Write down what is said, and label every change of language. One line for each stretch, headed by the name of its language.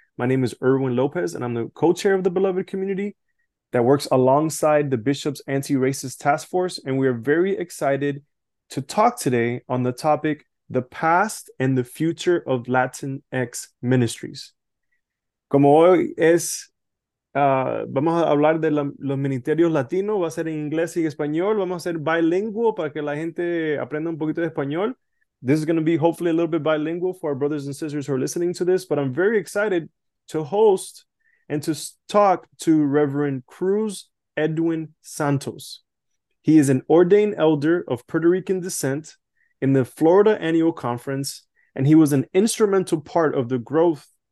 English: My name is Erwin Lopez, and I'm the co-chair of the Beloved Community that works alongside the Bishop's Anti-Racist Task Force. And we are very excited to talk today on the topic, the past and the future of Latinx ministries.
Spanish: Como hoy es, vamos a hablar de los ministerios latinos, va a ser en inglés y español, vamos a hacer bilingual para que la gente aprenda un poquito de español.
English: This is going to be hopefully a little bit bilingual for our brothers and sisters who are listening to this, but I'm very excited to host and to talk to Reverend Cruz Edwin Santos. He is an ordained elder of Puerto Rican descent in the Florida Annual Conference, and he was an instrumental part of the growth